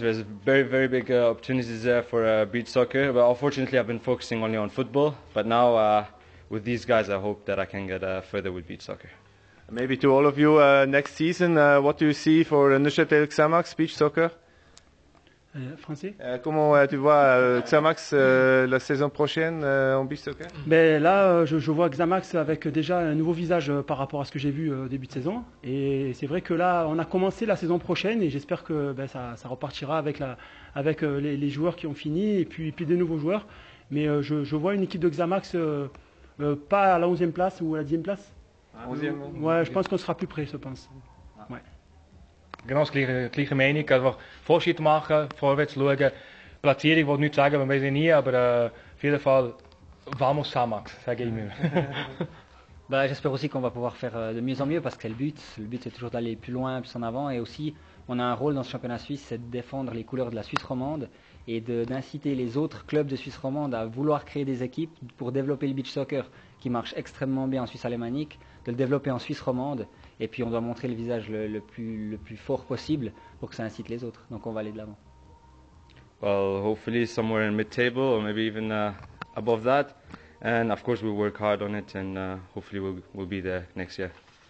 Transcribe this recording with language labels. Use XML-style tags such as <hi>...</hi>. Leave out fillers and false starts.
<en>There's very, very big opportunities there for beach soccer. But unfortunately, I've been focusing only on football. But now with these guys, I hope that I can get further with beach soccer. Maybe to all of you, next season, what do you see for Neuchâtel Xamax beach soccer?</en> <fr>Français. Comment tu vois Xamax la saison prochaine en beach soccer? Ben là, je vois Xamax avec déjà un nouveau visage par rapport à ce que j'ai vu au début de saison. Et c'est vrai que là, on a commencé la saison prochaine et j'espère que ben, ça repartira avec les joueurs qui ont fini et puis des nouveaux joueurs. Mais je vois une équipe de Xamax pas à la 11e place ou à la 10e place. 11e. Ouais, je pense qu'on sera plus près, je pense. Ouais.</fr> <de>Genau das gleiche Meinung, einfach Fortschritt machen, vorwärts schauen. Platzierung wollte nichts sagen, wir wissen nie, aber auf jeden Fall, vamos Xamax, sage ich mir.</de> <fr>Bah, j'espère aussi qu'on va pouvoir faire de mieux en mieux parce que c'est le but. Le but, c'est toujours d'aller plus loin, plus en avant. Et aussi, on a un rôle dans ce championnat suisse, c'est de défendre les couleurs de la Suisse romande et d'inciter les autres clubs de Suisse romande à vouloir créer des équipes pour développer le beach soccer qui marche extrêmement bien en Suisse alémanique, de le développer en Suisse romande. Et puis, on doit montrer le visage le plus fort possible pour que ça incite les autres. Donc, on va aller de l'avant.</fr> <en>Well, hopefully somewhere in mid-table or maybe even above that. And of course, we'll work hard on it and hopefully we'll be there next year.</en>